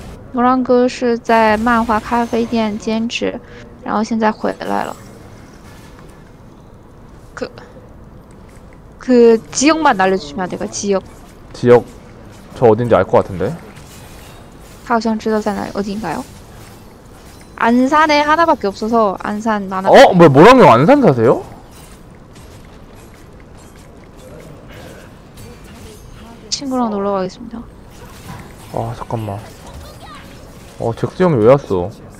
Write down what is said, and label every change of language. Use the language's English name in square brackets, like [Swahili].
[Chinese] 무랑哥是在 만화카페店 兼职 然后现在回来了. [Korean] 그 지역만 알려주시면 돼요. 지역 저 어딘지 알 것 같은데. [Chinese] 他好像知道在哪 [Korean] 어디인가요? 안산에 하나밖에 없어서 안산 만화. 어? 뭐야 모랑이 형 안산 사세요? 친구랑 놀러 가겠습니다. 아 잠깐만. 어 잭스 형이 왜 왔어?